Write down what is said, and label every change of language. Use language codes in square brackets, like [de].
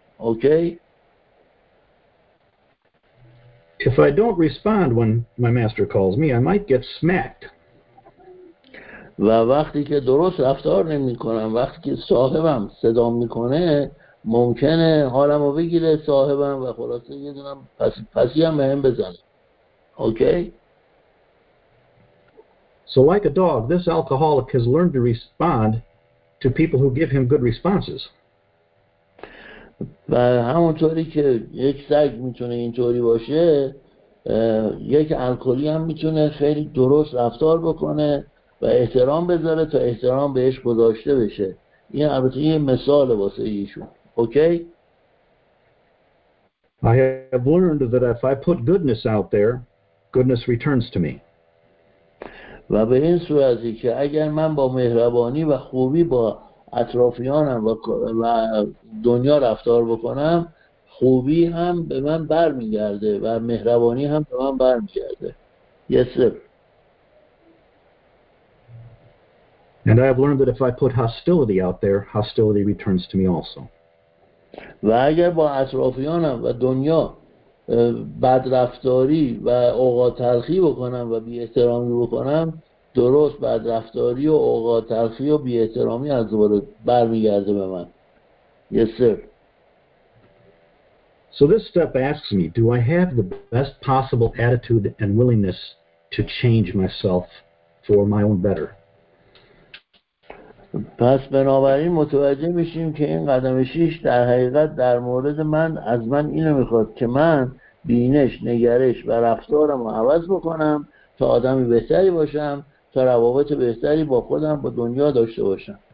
[en] Okay? If I don't respond when my master calls me, I might get smacked. [fa] و وقتی که درست رفتار نمیکنم، وقتی که صاحبم صدا میکنه، ممکنه حالمو بگیره صاحبم و خلاصه یه دونم پسی هم بهم بزنه. [en] Okay? So like a dog, this alcoholic has learned to respond to people who give him good responses. [fa] و همونطوری که یک سگ میتونه اینطوری باشه، یک الکلی هم میتونه خیلی درست رفتار بکنه و احترام بذاره تا احترام بهش گذاشته بشه. این البته یه مثال واسه ایشون. [en] Okay? I have learned that if I put goodness out there, goodness returns to me. [fa] و به این صورتی که اگر من با مهربانی و خوبی با اطرافیانم و دنیا رفتار بکنم، خوبی هم به من برمیگرده و مهربانی هم به من برمیگرده. [en] Yes sir. And I have learned that if I put hostility out there, hostility returns to me also. [fa] و اگر با اطرافیانم و دنیا بدرفتاری و اوقات تلخی بکنم و بی احترامی بکنم، درست بدرفتاری و اوقات تلخی و بی احترامی از دوباره برمیگرده به من. [en] Yes sir. So this step asks me, do I have the best possible attitude and willingness to change myself for my own better? [fa] پس بنابراین متوجه میشیم که این قدم شیش در حقیقت در مورد من، از من اینو میخواد که من بینش، نگرش و رفتارم رو عوض بکنم تا آدمی بهتری باشم، تا روابط بهتری با خودم با دنیا داشته باشم.